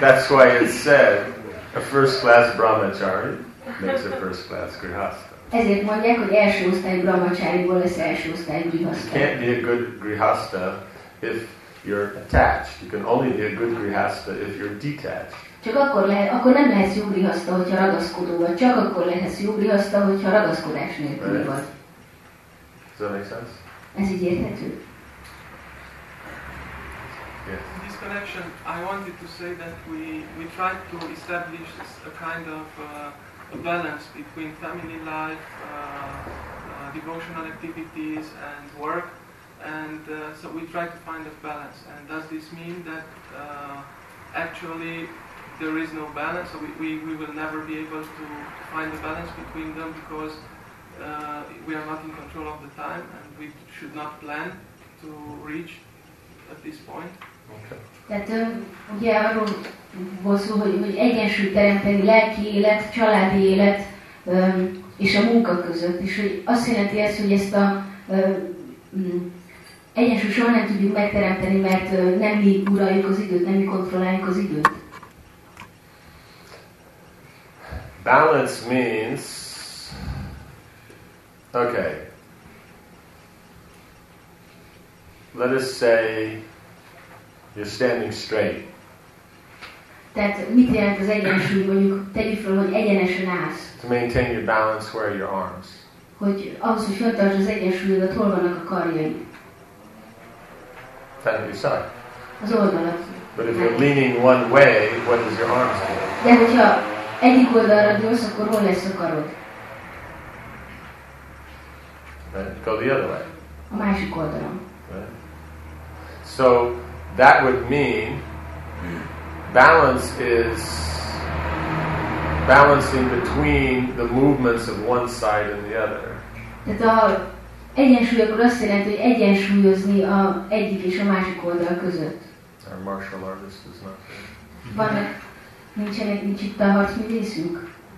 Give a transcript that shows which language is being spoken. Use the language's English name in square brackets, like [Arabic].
[English] That's why it's said a first-class brahmachari makes a first-class grihastha. [Hungarian] Ezért mondják, hogy első osztályú brahmacháriból lesz első osztályú grihasta. [English] You can't be a good grihasta if you're attached. You can only be a good grihasta if you're detached. [Hungarian] Csak akkor lehet, akkor nem lehet jó grihasta, hogyha ragaszkodó vagy. Csak akkor lehet jó grihasta, hogyha ragaszkodás nélkül vagy. [English] Does that make sense? [Hungarian] Ez így érthető. [English] Yes. In this connection, I wanted to say that we tried to establish a kind of a balance between family life, devotional activities, and work. And so we tried to find a balance. And does this mean that actually there is no balance? So we will never be able to find a balance between them because we are not in control of the time and we should not plan to reach at this point. Okay. [Hungarian] Tehát ugye arról volt szó, hogy egyensúlyt teremteni lelki élet, családi élet és a munka között. És hogy azt jelenti ez, hogy ezt a egyensúlyt soha nem tudjuk megteremteni, mert nem mi uraljuk az időt, nem mi kontrolláljuk az időt. [English] Balance means... Okay. Let us say... You're standing straight. [Hungarian] Tehát mit jelent az egyensúly, mondjuk tegyük fel, hogy egyenesen állsz. [English] To maintain your balance, where are your arms? [Hungarian] Hogy ahhoz, hogy föltartsd az egyensúlyodat, hol vannak a karjaid? Tehát a [English] side. [Hungarian] Az oldalat. [English] But if you're leaning one way, what does your arms do? [Hungarian] De hogyha egyik oldalra dőlsz, akkor hol lesz a karod? [English] Right. Go the other way. [Hungarian] A másik oldalon. [English] Right. So, that would mean balance is balancing between the movements of one side and the other. [Hungarian] Tehát a egyensúly akkor azt jelenti, hogy egyensúlyozni a egyik és a másik oldal között. [English] Our martial artist is not there. [Hungarian] Van, nincs itt a harcművészünk?